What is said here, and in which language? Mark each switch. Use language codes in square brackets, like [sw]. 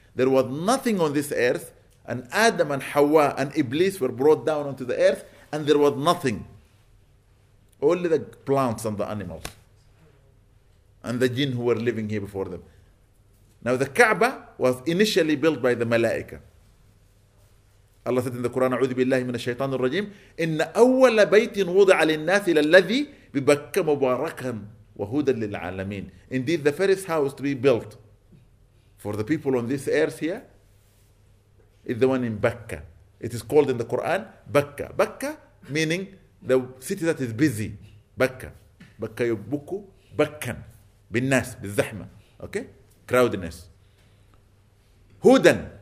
[en] There was nothing on this earth, and Adam and Hawa and Iblis were brought down onto the earth, and there was nothing. Only the plants and the animals, and the jinn who were living here before them. Now the Kaaba was initially built by the Malaika. Allah said in the Quran, [ar] أعوذ بالله من الشيطان الرجيم, إن أول بيت وضع للناس الذي ببكة مباركا وهدى للعالمين. [en] Indeed, the first house to be built for the people on this earth here is the one in Bakka. It is called in the Quran, Bakka. Bakka meaning the city that is busy. Bakka. Bakka yubuku, Bakkan. [ar] بالناس بالزحمة. [en] Okay? Crowdedness. Hudan.